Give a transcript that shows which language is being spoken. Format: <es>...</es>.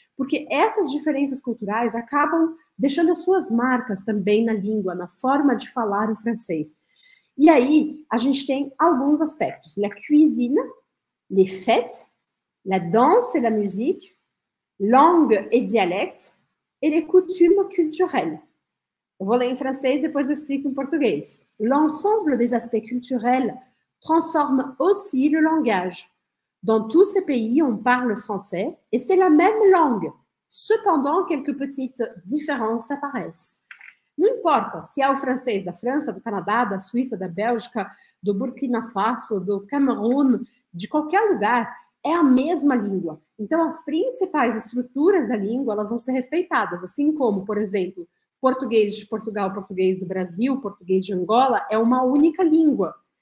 <pt>Porque essas diferenças culturais acabam deixando as suas marcas também na língua, na forma de falar o francês. E aí, a gente tem alguns aspectos:</pt> <fr>la cuisine, les fêtes, la danse et la musique, langue et dialecte, et les coutumes culturelles.</fr> <pt>Eu vou ler em francês, depois eu explico em português.</pt> <fr>L'ensemble des aspects culturels transforme aussi le langage. Dans tous ces pays, on parle français et c'est la même langue. Cependant, quelques petites différences apparaissent.</fr> <pt>Não importa se é o francês da França, do Canadá, da Suíça, da Bélgica, do Burkina Faso, do Camerun, de qualquer lugar, é a mesma língua. Então, as principais estruturas da língua, elas vão ser respeitadas, assim como, por exemplo, português de Portugal, português do Brasil, português de Angola, é uma única língua.</pt>